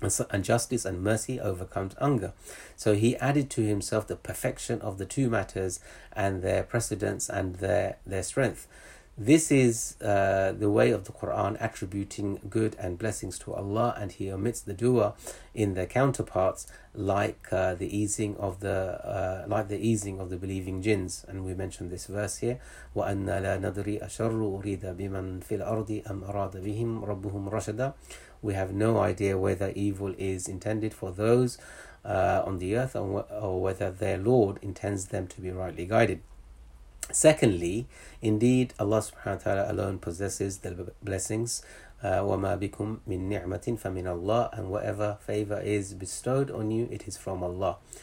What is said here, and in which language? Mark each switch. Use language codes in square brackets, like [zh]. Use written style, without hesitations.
[en] And justice and mercy overcomes anger. So he added to himself the perfection of the two matters and their precedence and their strength. This is the way of the Quran attributing good and blessings to Allah, and he omits the doer in their counterparts, like the easing of the believing jinns. And we mentioned this verse here, [ar] وَأَنَّا لَا نَدْرِي أَشَرُّ أُرِيدَ بِمَنْ فِي الْأَرْضِ أَمْ أَرَادَ بِهِمْ رَبُّهُمْ رَشَدًا. [en] We have no idea whether evil is intended for those on the earth, or whether their Lord intends them to be rightly guided. Secondly, indeed, Allah subhanahu wa ta'ala alone possesses the blessings. [ar] وَمَا بِكُم مِن نِعْمَةٍ فَمِنَ اللَّهِ, [en] and whatever favor is bestowed on you, it is from Allah.